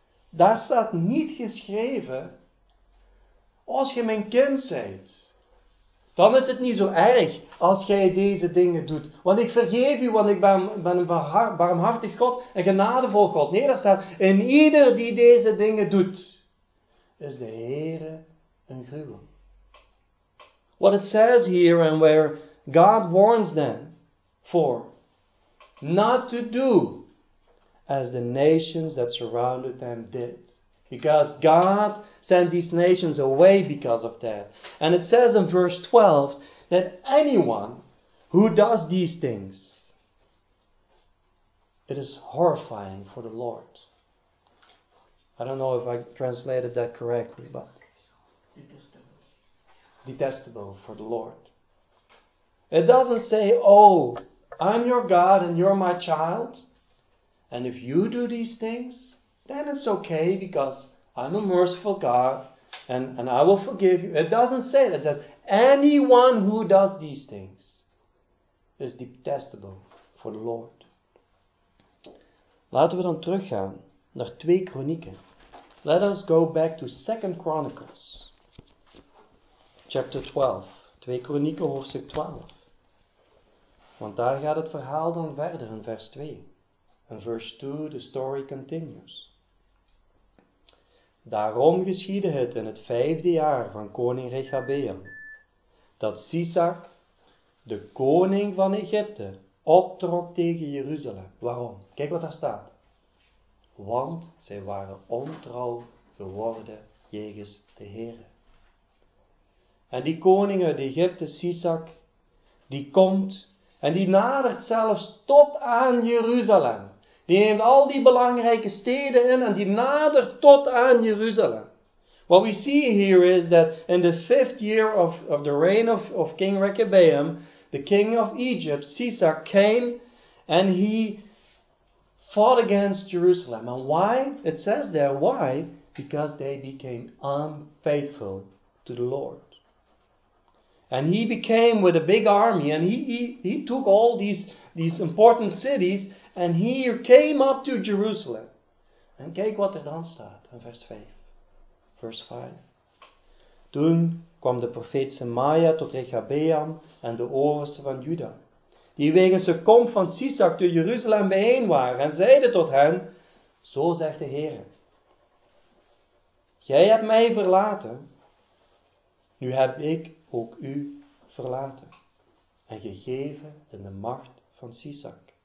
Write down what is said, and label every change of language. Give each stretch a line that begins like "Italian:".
Dutch: Daar staat niet geschreven, als je mijn kind zijt, dan is het niet zo erg als jij deze dingen doet. Want ik vergeef u, want ik ben een barmhartig God en genadevol God. Nee, daar staat, in ieder die deze dingen doet, is de Heer een gruwel.
English: What it says here and where God warns them for not to do as the nations that surrounded them did. Because God sent these nations away because of that. And it says in verse 12 that anyone who does these things, it is horrifying for the Lord. I don't know if I translated that correctly, but detestable for the Lord. It doesn't say, oh, I'm your God and you're my child, and if you do these things, then it's okay because I'm a merciful God and I will forgive you. It doesn't say that. It says, anyone who does these things is detestable for the Lord.
Dutch: Laten we dan teruggaan naar 2 Kronieken.
English: Let us go back to 2 Chronicles. Chapter 12.
Dutch: 2 Kronieken hoofdstuk 12. Want daar gaat het verhaal dan verder in vers 2.
English: In verse 2 the story continues.
Dutch: Daarom geschiedde het in het vijfde jaar van koning Rechabeam, dat Sisak, de koning van Egypte, optrok tegen Jeruzalem. Waarom? Kijk wat daar staat. Want zij waren ontrouw geworden jegens de Heere. En die koning uit Egypte, Sisak, die komt en die nadert zelfs tot aan Jeruzalem. Die neemt al die belangrijke steden in en die nadert tot aan Jeruzalem.
English: What we see here is that in the fifth year of the reign of King Rechabeam, the king of Egypt, Sisak, came and he fought against Jerusalem. And why? It says there, why? Because they became unfaithful to the Lord. And he became with a big army and he took all these important cities and he came up to Jerusalem.
Dutch: And kijk wat er dan staat in vers 5. Vers 5. Toen kwam de profeet Semaia tot Rechabeam en de oversten van Juda, die wegens de komst van Sisak te Jeruzalem bijeen waren, en zeiden tot hen, zo zegt de Heer, gij hebt mij verlaten, nu heb ik ook u verlaten, en gegeven in de macht van Sisak.